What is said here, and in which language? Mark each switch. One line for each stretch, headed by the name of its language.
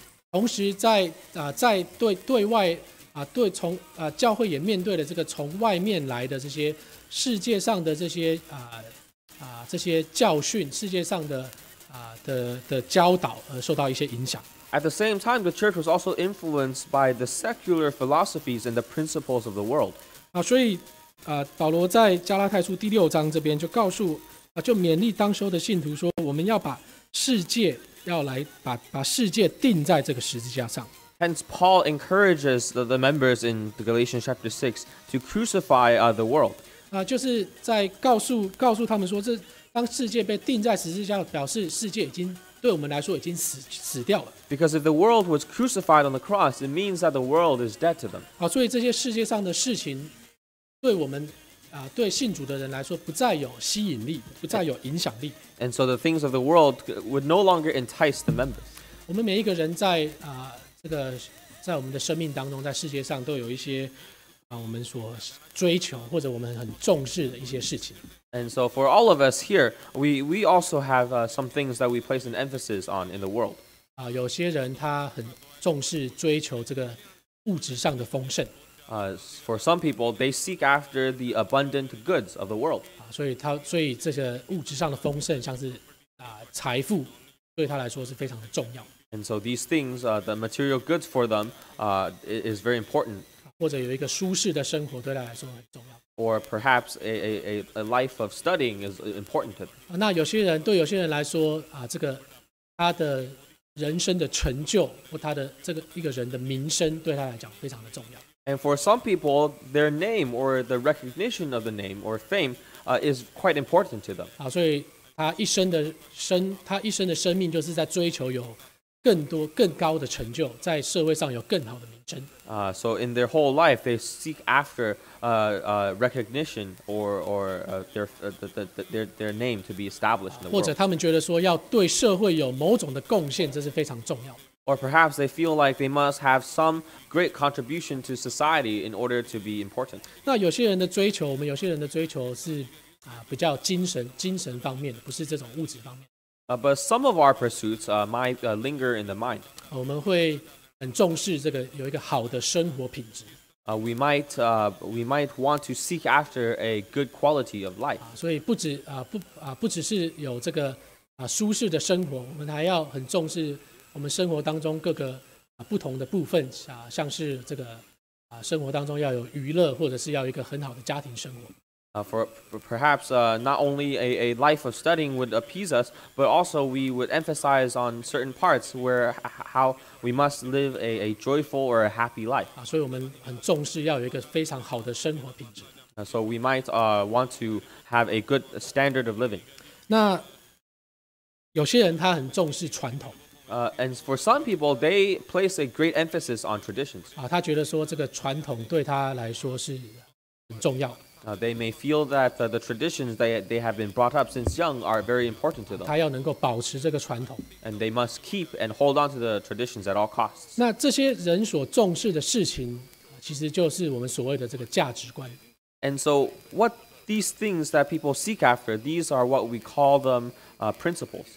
Chinese: 同时在对外对从教会也面对了这个从外面来的这些世界上的这些这些教训，世界上的教导而受到一些影响。
English: At the same time, the church was also influenced by the secular philosophies and the principles of the world.
Chinese: 所以。保罗在加拉太书第六章这边就告诉就勉励当时的信徒说，我们要把世界要来 把世界钉在这个十字架上。
English: Hence Paul encourages the members in Galatians chapter 6 to crucify the world.
Chinese: 就是在告诉他们说，这当世界被钉在十字架，表示世界已经对我们来说已经 死掉了。
English: Because if the world was crucified on the cross, it means that the world is dead to them.
Chinese: 所以这些世界上的事情对我们对信主的人来说不再有吸引力，不再有影响力。
English: And so the things of the world would no longer entice the members.
Chinese: 我们每一个人在这个在我们的生命当中，在世界上都有一些我们所追求或者我们很重视的一些事情。
English: And so for all of us here, we also have some things that we place an emphasis on in the world.
Chinese: 有些人他很重视追求这个物质上的丰盛。
English: For some people, they seek after the abundant goods of the world.
Chinese: 所以这些物质上的丰盛，像是财富，对他来说是非常的重要。
English: And so these things, the material goods for them, is very important.
Chinese: 或者有一个舒适的生活，对他来说很重要。
English: Or perhaps a life of studying is important to them.
Chinese: 那有些人对有些人来说这个他的人生的成就或他的这个一个人的名声对他来讲非常的重要。
English: And for some people, their name or the recognition of the name or fame is quite important to them.
Chinese: 所以他一生的生命就是在追求有更多更高的成就，在社会上有更好的名声。
English: So in their whole life, they seek after recognition or their name to be established in the world.
Chinese: 或者他们觉得说要对社会有某种的贡献，这是非常重要。
English: Or perhaps they feel like they must have some great contribution to society in order to be important.
Chinese: 那有些人的追求，我们有些人的追求是比较精神方面的，不是这种物质方面。
English: But some of our pursuits might linger in the mind.
Chinese: 我们会很重视这个有一个好的生活品质。
English: We might want to seek after a good quality of life.
Chinese: 所以不只是有这个舒适的生活，我们还要很重视我们生活当中各个不同的部分像是这个生活当中要有娱乐，或者是要一个很好的家庭生活。
English: For perhaps not only a life of studying would appease us, but also we would emphasize on certain parts where how we must live a joyful or a happy life.
Chinese: 所以我们很重视要有一个非常好的生活品质。
English: So we might want to have a good standard of living.
Chinese: 那有些人他很重视传统。
English: And for some people, they place a great emphasis on traditions.
Chinese: 他觉得说这个传统对他来说是很重要。
English: They may feel that the traditions they have been brought up since young are very important to them.
Chinese: 他要能够保持这个传统。
English: And they must keep and hold on to the traditions at all costs.
Chinese: 那这些人所重视的事情，其实就是我们所谓的这个价值观。
English: And so what these things that people seek after, these are what we call them principles.